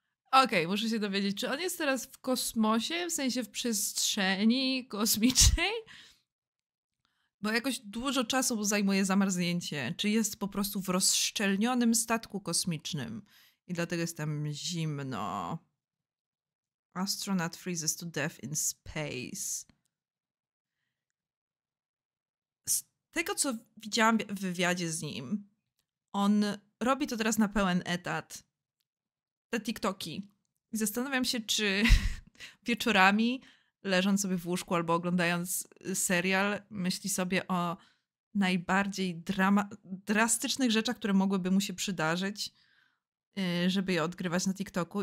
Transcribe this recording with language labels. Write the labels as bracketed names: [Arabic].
[Polish] Okej, okay, muszę się dowiedzieć, czy on jest teraz w kosmosie, w sensie w przestrzeni kosmicznej? Bo jakoś dużo czasu zajmuje zamarznięcie. Czy jest po prostu w rozszczelnionym statku kosmicznym? I dlatego jest tam zimno. [English] Astronaut freezes to death in space. [Polish] Z tego, co widziałam w wywiadzie z nim, on robi to teraz na pełen etat. Te TikToki. I zastanawiam się, czy wieczorami, leżąc sobie w łóżku albo oglądając serial, myśli sobie o najbardziej drastycznych rzeczach, które mogłyby mu się przydarzyć, żeby je odgrywać na TikToku.